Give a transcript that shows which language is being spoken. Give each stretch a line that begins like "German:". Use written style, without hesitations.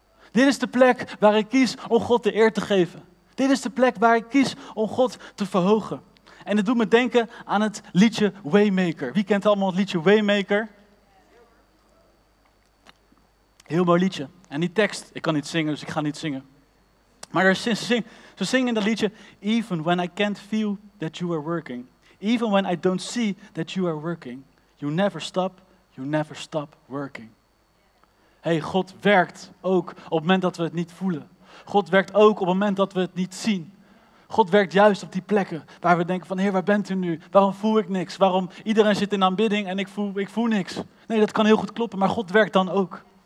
Dutch: Dit is de plek waar ik kies om God de eer te geven. Dit is de plek waar ik kies om God te verhogen. En dat doet me denken aan het liedje Waymaker. Wie kent allemaal het liedje Waymaker? Heel mooi liedje. En die tekst, ik kan niet zingen, dus ik ga niet zingen. Maar ze zingen in dat liedje,
English: even when I can't feel that you are working, even when I don't see that you are working, you never stop working.
Dutch: Hey, God werkt ook op het moment dat we het niet voelen. God werkt ook op het moment dat we het niet zien. God werkt juist op die plekken waar we denken van, Heer, waar bent u nu? Waarom voel ik niks? Waarom iedereen zit in aanbidding en ik voel niks? Nee, dat kan heel goed kloppen, maar God werkt dan ook.